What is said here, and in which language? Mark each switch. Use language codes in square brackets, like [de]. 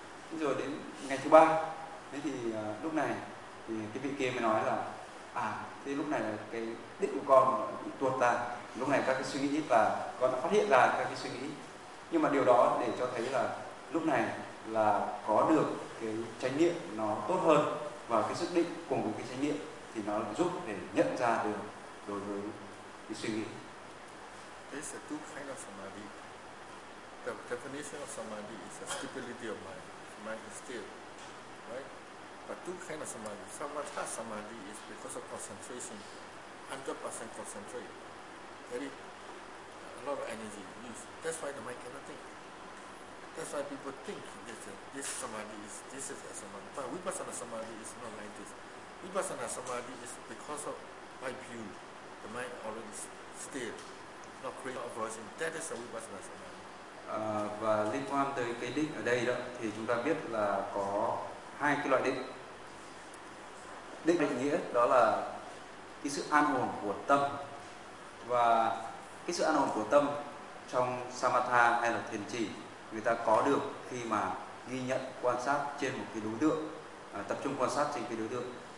[vi] Thế rồi đến ngày thứ ba, thế thì lúc này thì cái vị kia mới nói là thế lúc này là cái định của con bị tuột ra, lúc này các cái suy nghĩ và con đã phát hiện ra các cái suy nghĩ. Nhưng mà điều đó để cho thấy là lúc này là có được cái chánh niệm nó tốt hơn, và cái sức định cùng với cái chánh niệm thì nó giúp để nhận ra được đối với cái suy nghĩ. [en] There's a two kind of samadhi. The definition of samadhi is a stability of mind. Mind is still, right? But two kind of samadhi. Samatha samadhi is because of concentration, 100% concentrate. Very, a lot of energy used. That's why the mind cannot think. That's why people think this samadhi is, this is a samadhi. But vipassana samadhi is not like this. Vipassana samadhi is because of my view. The mind already still, not creating a voice. That is a vipassana samadhi. [vi] Và liên quan tới cái định ở đây đó thì chúng ta biết là có hai cái loại định. Định định nghĩa đó là cái sự an ổn của tâm, và cái sự an ổn của tâm trong samatha hay là thiền chỉ người ta có được khi mà ghi nhận quan sát trên một cái đối tượng, tập trung quan sát trên cái đối tượng.